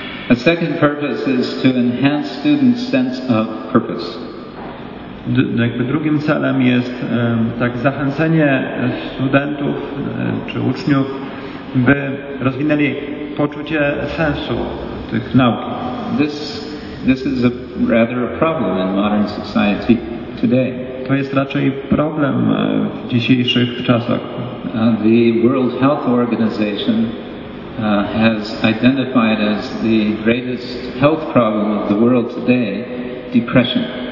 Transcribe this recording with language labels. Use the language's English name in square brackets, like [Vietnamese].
[English] A second purpose is to enhance students' sense of purpose. [Polish] Drugim celem jest zachęcenie studentów czy uczniów, by rozwinęli poczucie sensu tych nauk. [English] This is a rather a problem in modern society today. [Polish] To jest raczej problem w dzisiejszych czasach. [English] The World Health Organization has identified as the greatest health problem of the world today depression.